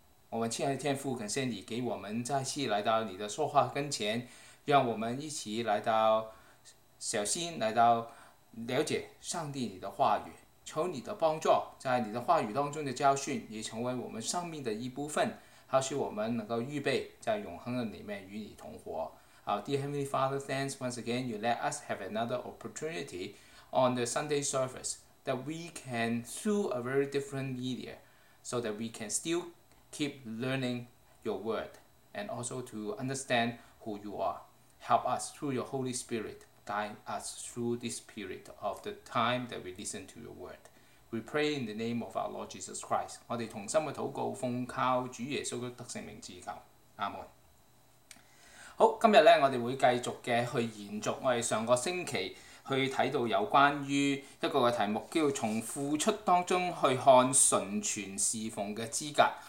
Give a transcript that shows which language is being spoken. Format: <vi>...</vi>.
<zh>我們親愛的天父，感謝你給我們再次來到你的說話跟前，讓我們一起來到小心來到了解上帝你的話語，求你的帮助，在你的话语当中的教训也成为我们生命的一部分，好使我们能够预备在永恒的里面与你同活。</zh> <en>Our dear Heavenly Father, thanks once again you let us have another opportunity on the Sunday service that we can through a very different media so that we can still keep learning your word and also to understand who you are. Help us through your Holy Spirit. Guide us through this period of the time that we listen to your word. We pray in the name of our Lord Jesus Christ.</en> <zh>我们同心的祷告，奉靠主耶稣基督圣名祈求，阿们。好，今天呢，我们会继续的去延续我们上个星期去看到有关于一个题目叫从付出当中去看纯全侍奉的资格。</zh>